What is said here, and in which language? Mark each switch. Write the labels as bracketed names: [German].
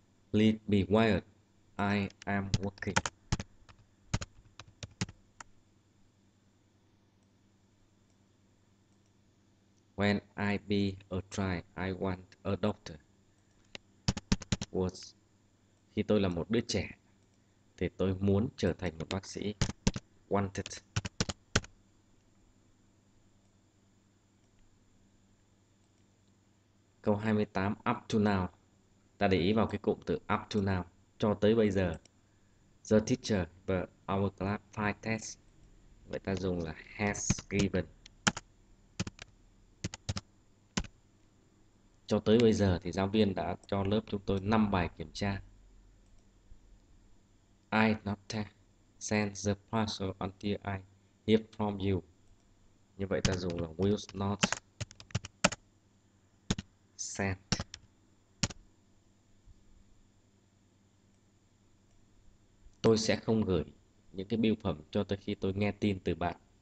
[English] Please be quiet. I am working. When I be a try, I want a doctor. Was. [Vietnamese] Khi tôi là một đứa trẻ, thì tôi muốn trở thành một bác sĩ. Wanted. Câu 28, up to now. Ta để ý vào cái cụm từ up to now. Cho tới bây giờ. [English] The teacher và our class five tests. [Vietnamese] Vậy ta dùng là [English] has given. [Vietnamese] Cho tới bây giờ thì giáo viên đã cho lớp chúng tôi 5 bài kiểm tra. [English] I not send the parcel until I hear from you. [Vietnamese] Như vậy ta dùng là will not send. Tôi sẽ không gửi những cái bưu phẩm cho tới khi tôi nghe tin từ bạn.